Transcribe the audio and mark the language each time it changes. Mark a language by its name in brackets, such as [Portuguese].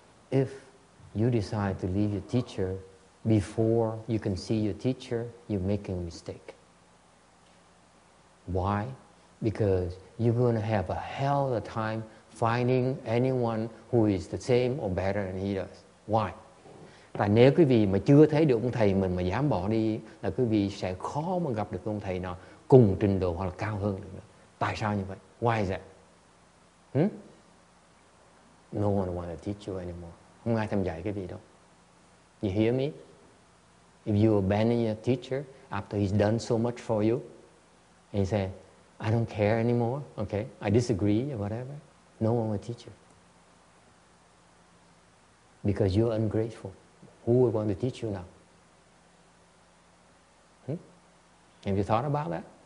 [English] If you decide to leave your teacher before you can see your teacher, you're making a mistake. Why? Because you're going to have a hell of a time finding anyone who is the same or better than he does. Why? [Vietnamese] Tại nếu quý vị mà chưa thấy được ông thầy mình mà dám bỏ đi, là quý vị sẽ khó mà gặp được ông thầy nào cùng trình độ hoặc là cao hơn được nữa. Tại sao như vậy? [English] Why is that? No one wants to teach you anymore. [Vietnamese] Không ai thèm dạy quý vị đâu. [English] You hear me? If you abandon your teacher after he's done so much for you, and you say, I don't care anymore, okay, I disagree or whatever, no one will teach you. Because you're ungrateful. Who are going to teach you now? Have you thought about that?